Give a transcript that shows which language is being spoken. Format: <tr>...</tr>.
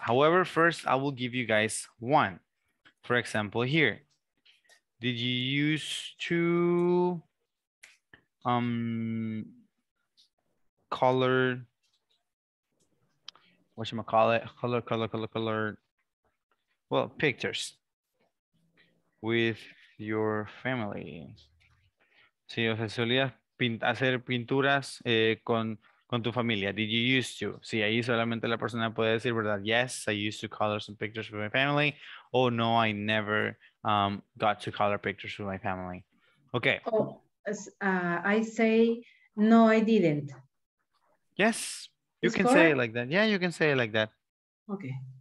<en>However, first I will give you guys one. For example here, did you use to, pictures with your family.</en> <es>Sí, o sea, solías hacer pinturas con tu familia.</es> <en>Did you used to?</en> <es>Sí, ahí solamente la persona puede decir, ¿verdad?</es> <en>Yes, I used to color some pictures with my family. Oh, no, I never got to color pictures with my family. Okay. Oh, I say, no, I didn't. Yes, you can say it like that. Yeah, you can say it like that. Okay.</en>